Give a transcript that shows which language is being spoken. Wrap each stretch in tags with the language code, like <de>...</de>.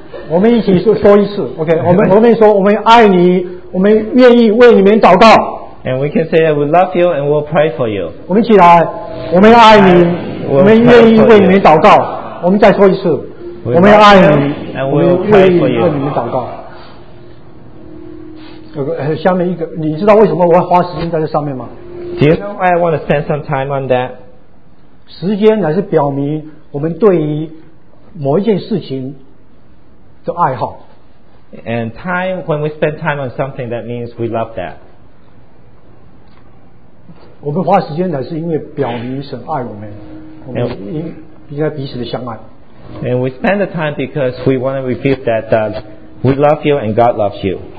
<zh>我们一起说一次, okay, 我们说我们爱你, 我们愿意为你们祷告。</zh> <en>And we can say that we love you and we'll pray for you.</en> <zh>我们起来, 我们爱你, we'll 我们愿意为你们祷告。我们再说一次, 我们爱你,</zh> <en>and we'll pray for you.</en> <zh>我们愿意为你们祷告。下面一个, 你知道为什么我要花时间在这上面吗?</zh> <en>Do you know why I want to spend some time on that?</en> <zh>时间乃是表明我们对于某一件事情 就爱好.</zh> <en>And time, when we spend time on something, that means we love that.</en> <zh>我们花时间来是因为表明神爱我们，我们应该彼此的相爱。</zh> <en>And we spend the time because we want to reveal that we love you and God loves you.</en>